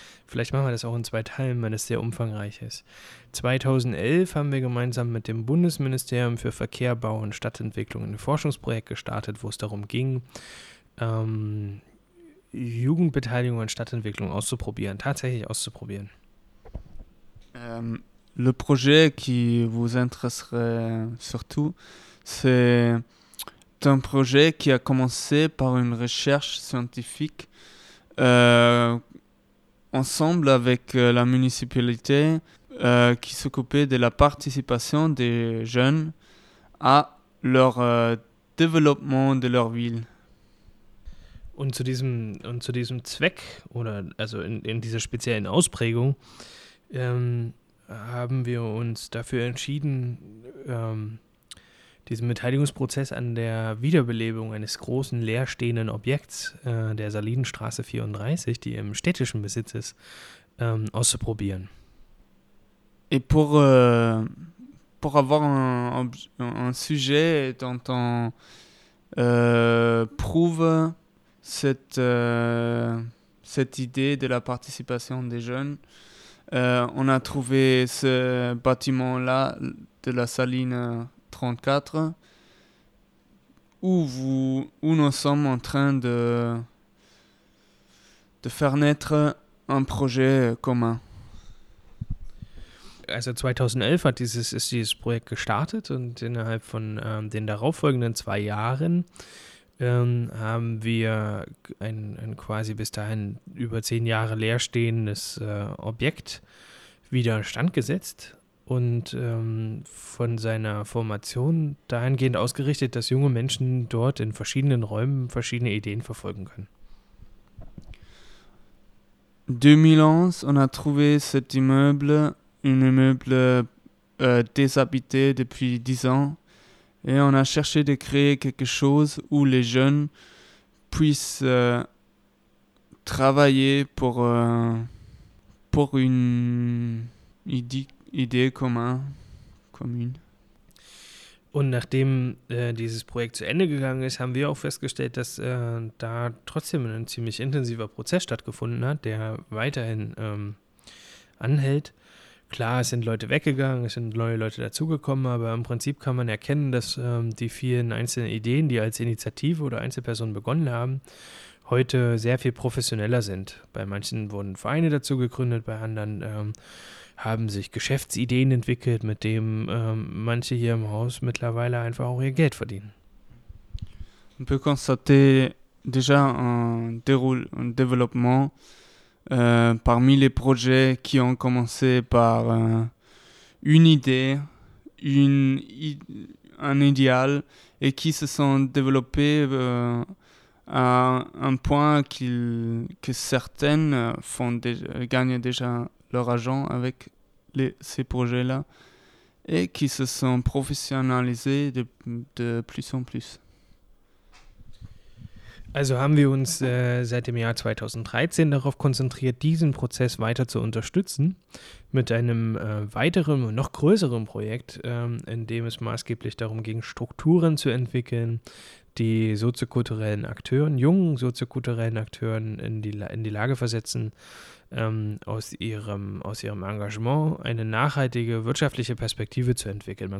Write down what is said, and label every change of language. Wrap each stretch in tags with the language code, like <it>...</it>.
<de>Vielleicht machen wir das auch in zwei Teilen, weil es sehr umfangreich ist. 2011 haben wir gemeinsam mit dem Bundesministerium für Verkehr, Bau und Stadtentwicklung ein Forschungsprojekt gestartet, wo es darum ging, Jugendbeteiligung an Stadtentwicklung auszuprobieren, tatsächlich auszuprobieren.</de> <fr>Le projet qui vous intéresserait surtout, c'est un projet qui a commencé par une recherche scientifique ensemble avec la municipalité qui s'occupait de la participation des jeunes à leur développement de leur ville.</fr> <de>Und zu diesem Zweck oder also in dieser speziellen Ausprägung haben wir uns dafür entschieden, diesen Beteiligungsprozess an der Wiederbelebung eines großen leerstehenden Objekts der Salinenstraße 34, die im städtischen Besitz ist, auszuprobieren.</de> <fr>Et pour avoir un sujet dont on prouve cette idée de la participation des jeunes, on a trouvé ce bâtiment-là de la Saline 34, où nous sommes en train de faire naître un projet commun.</fr> <de>Also 2011 ist dieses Projekt gestartet und innerhalb von den darauffolgenden 2 Jahren haben wir ein quasi bis dahin über 10 Jahre leerstehendes Objekt wieder instand gesetzt und von seiner Formation dahingehend ausgerichtet, dass junge Menschen dort in verschiedenen Räumen verschiedene Ideen verfolgen können.</de> <fr>2011, on a trouvé cet immeuble, un immeuble déshabité depuis 10 ans, et on a cherché de créer quelque chose où les jeunes puissent travailler pour une idée commune.</fr> <de>Und nachdem dieses Projekt zu Ende gegangen ist, haben wir auch festgestellt, dass da trotzdem ein ziemlich intensiver Prozess stattgefunden hat, der weiterhin anhält. Klar, es sind Leute weggegangen, es sind neue Leute dazugekommen, aber im Prinzip kann man erkennen, dass die vielen einzelnen Ideen, die als Initiative oder Einzelpersonen begonnen haben, heute sehr viel professioneller sind. Bei manchen wurden Vereine dazu gegründet, bei anderen haben sich Geschäftsideen entwickelt, mit denen manche hier im Haus mittlerweile einfach auch ihr Geld verdienen.</de> <fr>On peut constater déjà un développement Parmi les projets qui ont commencé par une idée, un idéal, et qui se sont développés à un point que certaines gagnent déjà leur argent avec ces projets-là, et qui se sont professionnalisés de plus en plus.</fr> <de>Also haben wir uns seit dem Jahr 2013 darauf konzentriert, diesen Prozess weiter zu unterstützen mit einem weiteren und noch größeren Projekt, in dem es maßgeblich darum ging, Strukturen zu entwickeln, die soziokulturellen Akteuren, jungen soziokulturellen Akteuren in die Lage versetzen, aus ihrem Engagement eine nachhaltige wirtschaftliche Perspektive zu entwickeln.</de>